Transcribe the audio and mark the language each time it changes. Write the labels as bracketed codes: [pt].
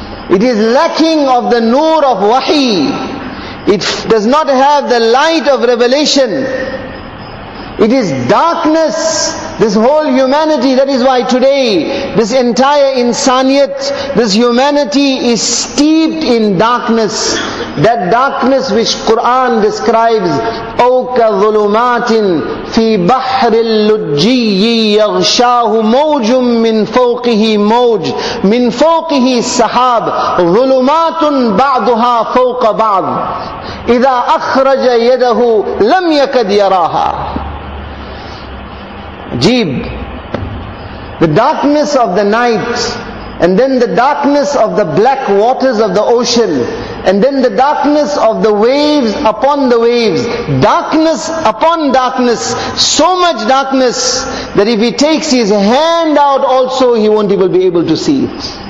[en] It is lacking of the noor of wahi. It does not have the light of revelation. It is darkness, this whole humanity. That is why today this entire insaniyat, this humanity is steeped in darkness. That darkness which Quran describes, [ar] أَوْ كَظُلُمَاتٍ فِي بَحْرِ اللُّجِّيِّ يَغْشَاهُ مَوْجٌ مِّن فَوْقِهِ مَوْجٌ مِّن فَوْقِهِ السَّحَابٌ ظُلُمَاتٌ بَعْضُهَا فَوْقَ بَعْضٍ إِذَا أَخْرَجَ يَدَهُ لَمْ يَكَدْ يَرَاهَا. [ur] Ajib. [en] The darkness of the night, and then the darkness of the black waters of the ocean, and then the darkness of the waves upon the waves, darkness upon darkness, so much darkness that if he takes his hand out also, he won't even be able to see it.